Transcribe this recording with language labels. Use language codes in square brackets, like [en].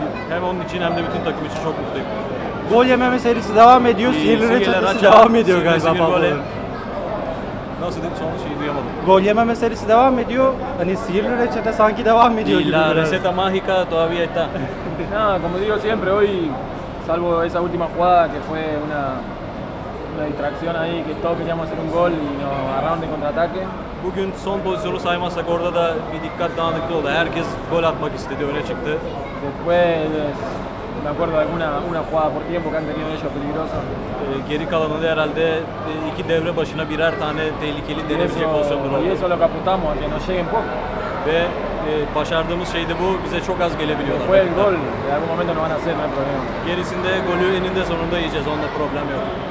[tr] Hem onun için hem de bütün takım için çok mutluyum. Gol yememe serisi devam ediyor. Sihirli çatısı devam ediyor galiba. Nasıl dedim? Son şeyi duyamadım. Gol yememe serisi devam ediyor. Hani sihirli reçete sanki devam ediyor gibi. [es] La receta mágica todavía está. Nada, como digo siempre, hoy salvo esa última jugada que fue una distracción ahí que todos queríamos hacer un gol y nos agarraron de contraataque. [tr] Bugün son pozisyonu saymazsak orada da bir dikkat dağınıklığı oldu. Herkes gol atmak istedi, öne çıktı. [es] Después, me acuerdo de una jugada por tiempo que han tenido ellos peligrosa. [tr] Geri kalanında herhalde iki devre başına birer tane tehlikeli denemeyecek pozisyonlar oldu. [es] Y eso lo que apuntamos, que nos lleguen poco. [tr] Ve başardığımız şey de bu, bize çok az gelebiliyorlar. [es] Después el gol, en algún momento no van a hacer, no hay problema. [tr] Gerisinde golü eninde sonunda yiyeceğiz, onda problem yok.